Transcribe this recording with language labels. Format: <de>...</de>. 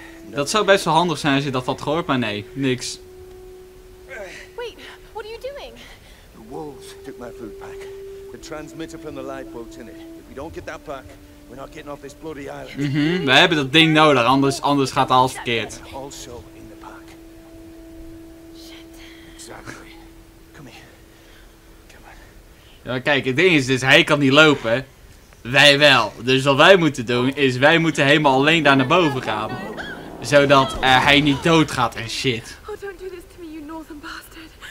<nl>Dat zou best wel handig zijn als je dat had gehoord, maar nee, niks.</nl> <en>Wait, what are you doing? The wolves took my food pack. The transmitter from the lifeboat in it. If we don't get that pack, we're not getting off this bloody island.</en> <nl>We hebben dat ding nodig, anders gaat alles verkeerd.</nl> <en>Also in the pack. Shit. Exactly. Come here. Come on.</en> <nl>Ja, kijk, het ding is dus, hij kan niet lopen. Wij wel. Dus wat wij moeten doen is, wij moeten helemaal alleen daar naar boven gaan. Zodat hij niet doodgaat en shit.</nl> <en>Oh, don't do this to me, you northern bastard.</en>